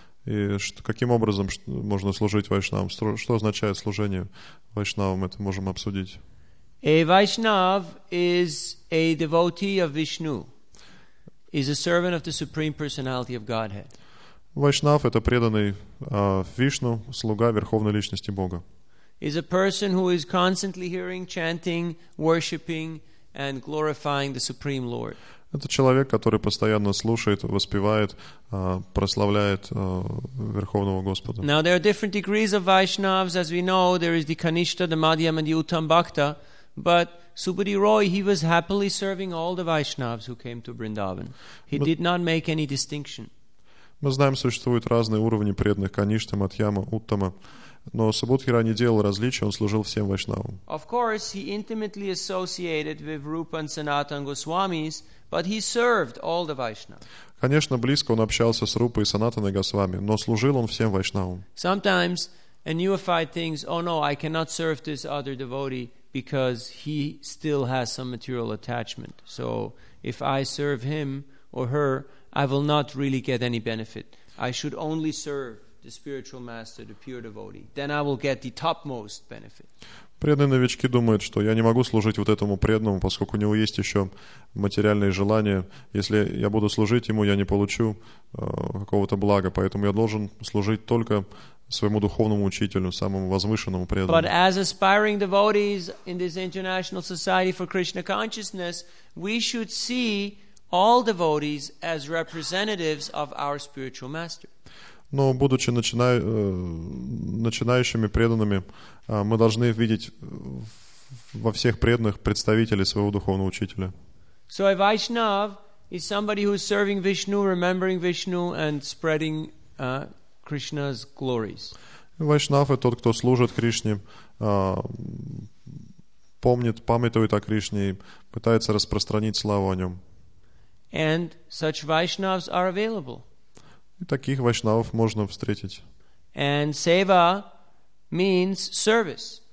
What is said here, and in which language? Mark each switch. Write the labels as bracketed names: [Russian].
[Russian] И каким образом можно служить Вайшнавам? Что означает служение Вайшнавам? Это можем обсудить. [English] A Vaishnav is a devotee of Vishnu, is a servant of the Supreme Personality of Godhead. [Russian] Вайшнав — это преданный Вишну, слуга Верховной Личности Бога. [English] Is a person who is constantly hearing, chanting, worshipping and glorifying the Supreme Lord. [Russian] Это человек, который постоянно слушает, воспевает, прославляет Верховного Господа. [English] Now there are different degrees of Vaishnavas, as we know. There is the Kanishta, the Madhyam, and the Uttam Bhakta. But Subhadi Roy, he was happily serving all the Vaishnavas who came to Vrindavan. He did not make any distinction. [Russian] Мы знаем, существуют разные уровни преданных: Каништа, Мадхьяма, Уттама. Но Субудхи Рай не делал различия, он служил всем Вайшнавам. [English] Of course, he intimately associated with Rupa and Sanatan Goswamis, but he served all the Vaishnavas. [Russian] Конечно, близко он общался с Рупой и Санатаной Госвами, но служил он всем Вайшнавам. [English] Sometimes a neophyte thinks, oh no, I cannot serve this other devotee because he still has some material attachment. So if I serve him or her, I will not really get any benefit. I should only serve the spiritual master, the pure devotee, then I will get the topmost benefit. [Russian] Преданные новички думают, что я не могу служить вот этому преданному, поскольку у него есть еще материальные желания. Если я буду служить ему, я не получу какого-то блага, поэтому я должен служить только своему духовному учителю, самому возвышенному преданному. [English] But as aspiring devotees in this International Society for Krishna Consciousness, we should see all devotees as representatives of our spiritual master. [Russian] Но будучи начинающими преданными, мы должны видеть во всех преданных представителей своего духовного учителя. [English] So a Vaishnav is somebody who is serving Vishnu, remembering Vishnu and spreading Krishna's glories. [Russian] Вайшнав это тот, кто служит Кришне, помнит, памятует о Кришне и пытается распространить славу о нем. [English] And such Vaishnavs are available. [Russian] И таких вайшнавов можно встретить. [English] And seva means service.